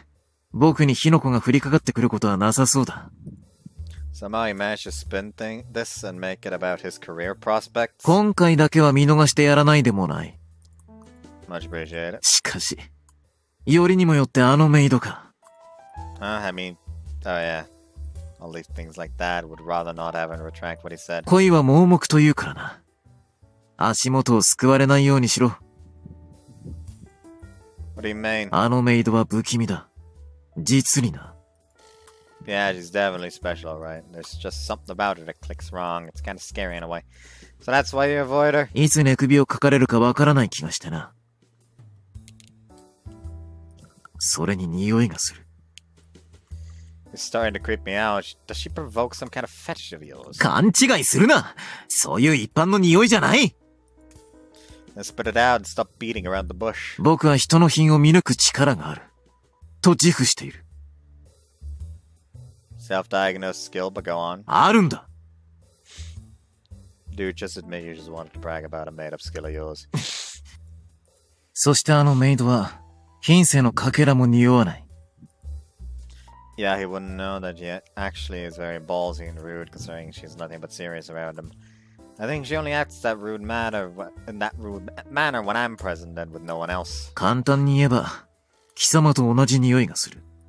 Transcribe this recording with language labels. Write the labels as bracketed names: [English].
[Japanese] しかし、メイドが好きなのなら、その心配もなくなるというもの。間違ってもメイドとの恋路で、僕に火の粉が降りかかってくることはなさそうだ。 [English] Somehow he managed to spin this and make it about his career prospects. [Japanese] 今回だけは見逃してやらないでもない。 [English] Much appreciated. [Japanese] しかし、 よりにもよってあのメイドか。 [English] I mean, oh yeah. All these things like that would rather not have and retract what he said. [Japanese] 恋は盲目というからな。足元を救われないようにしろ。 [English] What do you mean? [Japanese] あのメイドは不気味だ。実にな。 [English] Yeah, she's definitely special, right? There's just something about her that clicks wrong. It's kind of scary in a way. So that's why you avoid her? [Japanese] いつ寝首をかかれるかわからない気がしてな。それに匂いがする。 [English] It's starting to creep me out. Does she provoke some kind of fetish of yours? [Japanese] 勘違いするな! そういう一般の匂いじゃない! [English] Then spit it out and stop beating around the bush. [Japanese] 僕は人の品を見抜く力がある。と自負している。 [English] Self-diagnosed skill, but go on. [Japanese] あるんだ! [English] Dude, just admit you just wanted to brag about a made-up skill of yours. [Japanese] そしてあのメイドは、品性のかけらも匂わない。 [English] Yeah, he wouldn't know that yet. Actually, he's very ballsy and rude, considering she's nothing but serious around him. I think she only acts that rude manner in that rude manner when I'm present and with no one else. [Japanese] 簡単に言えば、貴様と同じ匂いがする。